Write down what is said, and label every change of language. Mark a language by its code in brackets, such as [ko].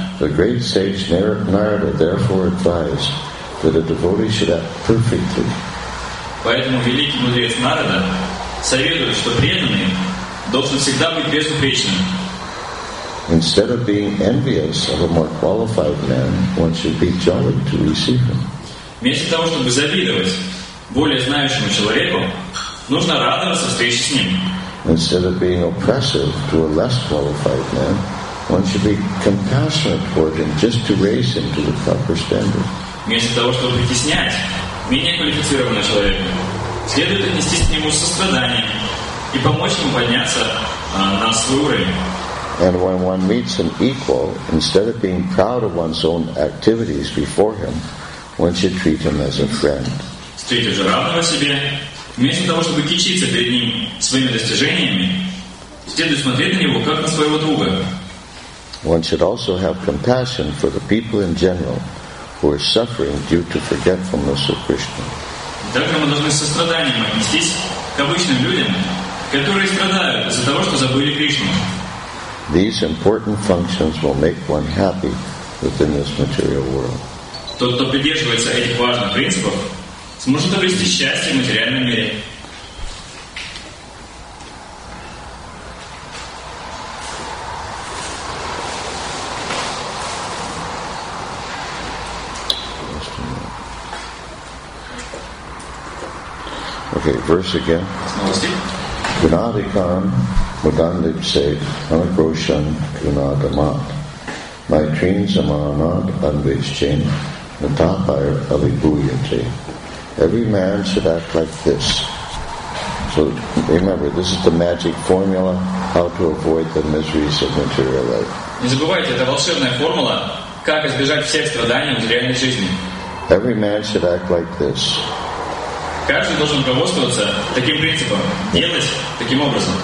[en] The great sage Narada therefore advised that a devotee should act perfectly. [ru] Поэтому великий мудрец Нарада советует, что преданный должен всегда быть безупречным. [en] Instead of being envious of a more qualified man, one should be jolly to receive him. [ru] Вместо того, чтобы завидовать более знающему человеку, нужно радоваться встрече с ним. [en] Instead of being oppressive to a less qualified man, one should be compassionate toward him just to raise him to the proper standard. [ru] Вместо того, чтобы притеснять менее квалифицированного человека, следует отнестись к нему состраданием и помочь ему подняться на свой уровень. [en] And when one meets an equal, instead of being proud of one's own activities before him, one should treat him as a friend. [ru] с третьим же равного себе, вместо того, чтобы кичиться перед ним своими достижениями, следует смотреть на него как на своего друга. [en] One should also have compassion for the people in general who are suffering due to forgetfulness of Krishna. [ru] Также мы должны с состраданием отнестись к обычным людям, которые страдают из-за того, что забыли Кришну. [en] These important functions will make one happy within this material world. [ru] Тот, кто придерживается этих важных принципов, сможет обрести счастье в материальном мире. [en] Okay, verse again. Gunadikam Mudandip said, Anakroshan Gunadamat. My trains amanat unvishchen, Natapir alibuyate. Every man should act like this. So remember, this is the magic formula how to avoid the miseries of material life. [ru] Не забывайте, это волшебная формула, как избежать всех страданий в реальной жизни. [en] Every man should act like this. [ru] Каждый должен руководствоваться таким принципом, делать таким образом.